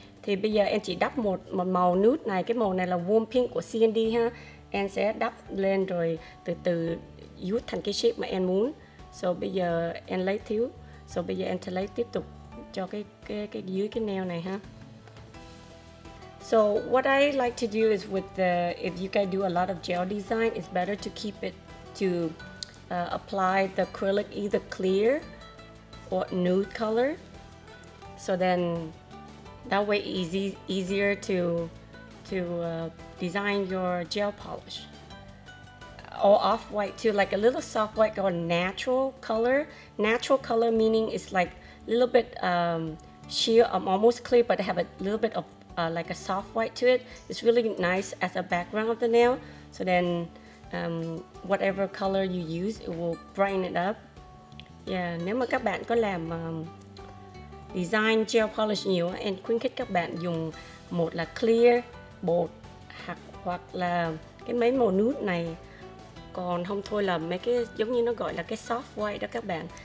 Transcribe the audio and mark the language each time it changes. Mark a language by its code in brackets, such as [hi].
[vi] Thì bây giờ em chỉ đắp một màu nude này, cái màu này là warm pink của CND ha. Em sẽ đắp lên rồi từ từ use thành cái shape mà em muốn. So bây giờ em lấy thiếu. So bây giờ em sẽ lấy tiếp tục cho cái dưới cái nail này ha. [en] So what I like to do is with the, if you guys do a lot of gel design, it's better to keep it to apply the acrylic either clear or nude color. So then that way easier to design your gel polish. Or off-white too, like a little soft white or natural color. Natural color meaning it's like a little bit sheer, almost clear, but have a little bit of like a soft white to it. It's really nice as a background of the nail. So then whatever color you use, it will brighten it up. [vi] Yeah, nếu mà các bạn có làm design gel polish nhiều, em khuyến khích các bạn dùng một là clear bột hoặc là cái mấy màu nude này. Còn không thôi là mấy cái giống như nó gọi là cái soft white đó các bạn.